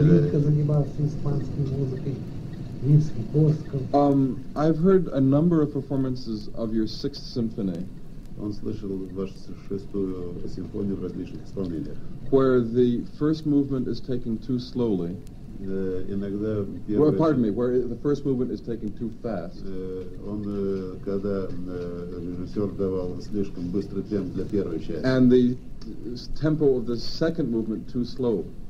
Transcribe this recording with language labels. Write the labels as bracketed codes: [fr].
[ru] Рильке занимался испанской музыкой. Римский-Корсков. [en] I've heard a number of performances of your 6th symphony. [ru] Он слышал вашу 6-ю симфонию в различных исполнениях. [en] Where the first movement is taken too slowly. Where the first movement is taken too fast. [ru] Когда режиссер давал слишком быстрый темп для первой части. [en] And the tempo of the second movement too slow.